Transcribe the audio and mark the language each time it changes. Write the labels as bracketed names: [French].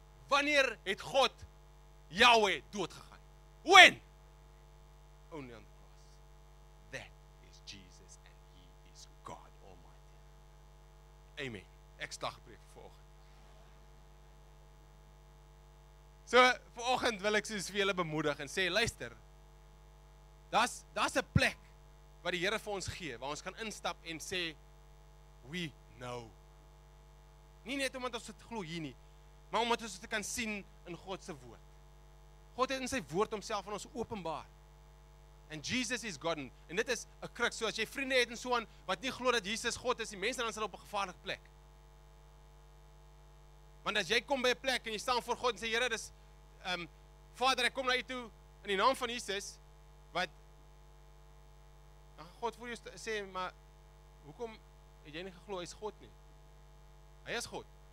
[Afrikaans] Wanneer het God Yahweh doodgegaan? [English] When? Only on the cross. That is Jesus, and He is God Almighty. [Afrikaans] Amen. Ek sta gepreek vir oggend. So, vir oggend wil ek soos vir julle bemoedig, en sê, luister, dat is 'n plek, wat die Here vir ons gee, waar ons kan instap en sê, [English] we know. [Afrikaans] Nie net omdat ons het glo hier nie, maar omdat ons het kan sien in Godse woord. God het in sy woord homself aan ons openbaar. En Jesus is God. En dit is 'n kruk, so as jy vriende het en so aan, wat nie glo dat Jesus God is, die mense dan sal op 'n gevaarlike plek. Want as jy kom by 'n plek en jy staan voor God en sê, Here, dis, Vader, ek kom na u toe, in die naam van Jesus, wat God voor jou sê, maar hoekom het jy nie geglo, hy is God nie? Hy is God.